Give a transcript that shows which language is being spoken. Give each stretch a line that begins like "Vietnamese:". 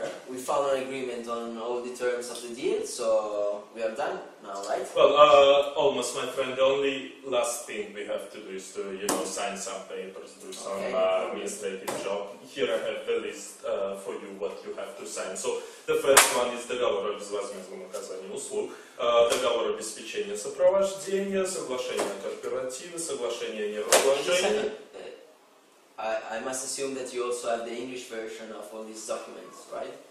English: We found an agreement on all the terms of the deal, so we are done now, right? Well, almost, my friend. The only last thing we have to do is to, you know, sign some papers, do some administrative job. Here I have the list for you, what you have to sign. So, the first one is
Russian: договор о безвозмездном оказании услуг, договор обеспечения сопровождения, соглашение корпоратива, соглашение о неразглашении.
English: I must assume that you also have the English version of all these documents, right?